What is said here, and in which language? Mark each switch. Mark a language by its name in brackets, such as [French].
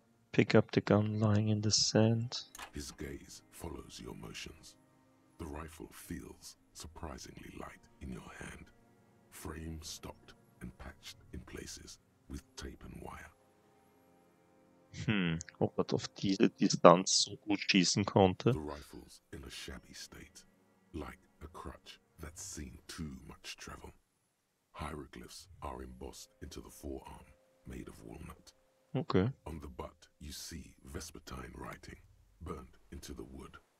[English] Pick up the gun lying in the sand. His gaze follows your motions. The rifle feels surprisingly light in your hand. Frame stocked and patched in places with tape and wire. [German] Ob er auf diese Distanz so gut schießen konnte. [English] The rifle's in a shabby state, like a crutch that's seen too much travel. Hieroglyphs are embossed into the forearm, made of walnut. Okay. On the butt, you see Vespertine writing, burnt into the wood.